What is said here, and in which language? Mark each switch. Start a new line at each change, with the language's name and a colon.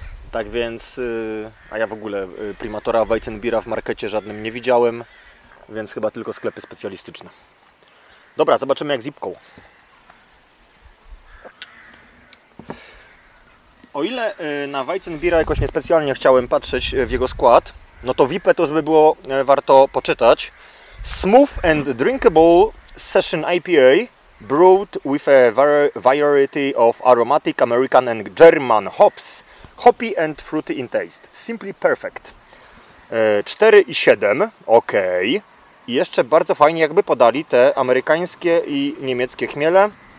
Polish: Tak więc, a ja w ogóle Primatora Weizenbiera w markecie żadnym nie widziałem, więc chyba tylko sklepy specjalistyczne. Dobra, zobaczymy jak z Ipką. O ile na Weizenbiera jakoś niespecjalnie chciałem patrzeć w jego skład, no to Ipkę to już by było warto poczytać.
English: Smooth and drinkable session IPA brewed with a variety of aromatic American and German hops. Hoppy and fruity in taste. Simply perfect. 4,7. Ok.
Polish: I jeszcze bardzo fajnie jakby podali te amerykańskie i niemieckie chmiele.